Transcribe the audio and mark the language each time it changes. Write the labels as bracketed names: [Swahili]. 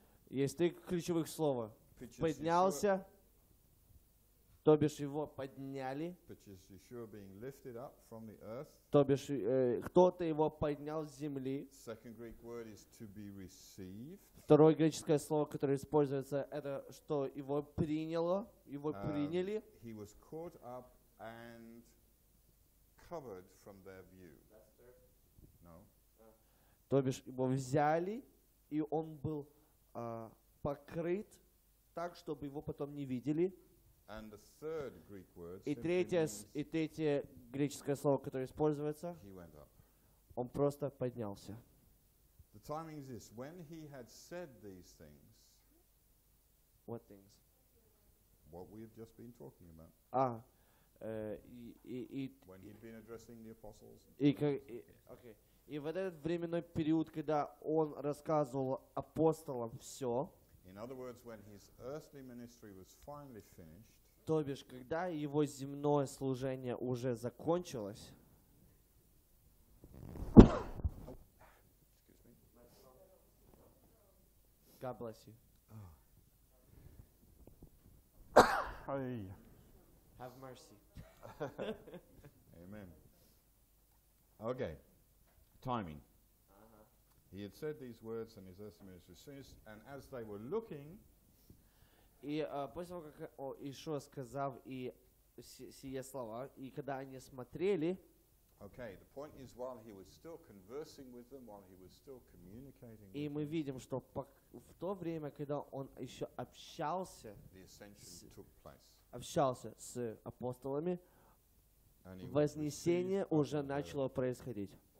[Russian] Есть три ключевых слова. Поднялся, то бишь его подняли. [English] Being lifted up from the earth. [Russian] То бишь кто-то его поднял с земли. [English] Second Greek word is to be received. [Russian] Второе греческое слово, которое используется, это что его приняло, его приняли. [English] He was caught up and covered from their view. No. [Russian] То бишь его взяли, и он был покрыт так, чтобы его потом не видели. [English] And the third Greek word, [Russian] и третье греческое слово, которое используется, [English] he went up. [Russian] Он просто поднялся. [English] The timing is this. When he had said these things, what things? What we have just been talking about. Ah. When he'd been addressing the apostles. [Russian] И вот этот временной период, когда он рассказывал апостолам все. [English] In other words, when his earthly ministry was finally finished. [Russian] То бишь, когда его земное служение уже закончилось. [English] God bless you. Oh. Hey. Have mercy. Amen. Okay. Timing. Uh-huh. He had said these words and his earthly ministry was finished, and as they were looking, [Russian] и после того, как Иисус сказал и сие слова, и когда они смотрели, [English] okay, the point is while he was still conversing with them, while he was still communicating. [Russian] И мы видим, что в то время, когда он ещё общался, [English] the ascension took place. [Russian] Общался с апостолами. Вознесение уже начало происходить.